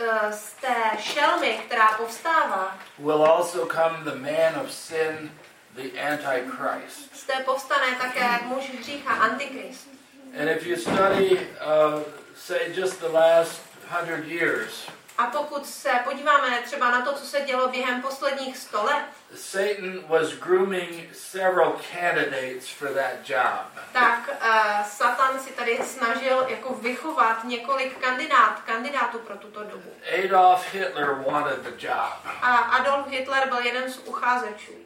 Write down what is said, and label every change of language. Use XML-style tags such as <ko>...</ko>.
<cs>Z té šelmy, která povstává.</cs> <en>Will also come the man of sin, the Antichrist.</en> <cs>Z té povstane také muž hřícha, Antichrist.</cs> <en>And if you study, say, just the last 100 years,</en> <cs>a pokud se podíváme třeba na to, co se dělo během posledních 100 let,</cs> <en>Satan was grooming several candidates for that job.</en> <cs>Tak Satan si tady snažil jako vychovat několik kandidátů pro tuto dobu.</cs> <en>Adolf Hitler wanted the job.</en> <cs>A Adolf Hitler byl jeden z uchazečů.</cs>